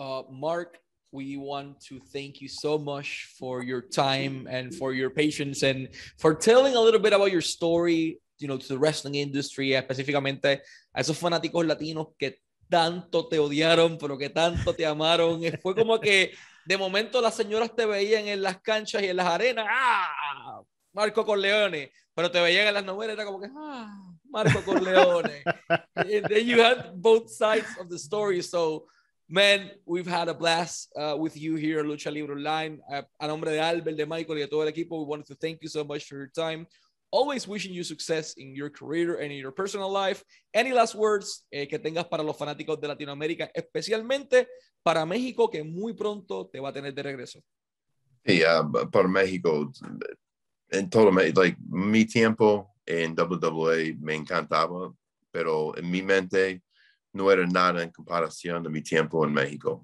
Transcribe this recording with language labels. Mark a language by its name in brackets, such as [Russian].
[English] Mark, we want to thank you so much for your time and for your patience and for telling a little bit about your story, you know, to the wrestling industry, [Spanish] específicamente a esos fanáticos latinos que tanto te odiaron, pero que tanto te amaron. Fue como que de momento las señoras te veían en las canchas y en las arenas. ¡Ah! Marco Corleone. Pero te veían en las novelas, era como que ¡ah! Marco Corleone. [English] And then you had both sides of the story. So, man, we've had a blast with you here at Lucha Libre Online. [Spanish] A nombre de Albert, de Michael y de todo el equipo, [English] we wanted to thank you so much for your time. Always wishing you success in your career and in your personal life. Any last words [Spanish] que tengas para los fanáticos de Latinoamérica, especialmente para México, que muy pronto te va a tener de regreso. Sí, para México, en todo, like, mi tiempo en WWE me encantaba, pero en mi mente no era nada en comparación de mi tiempo en México.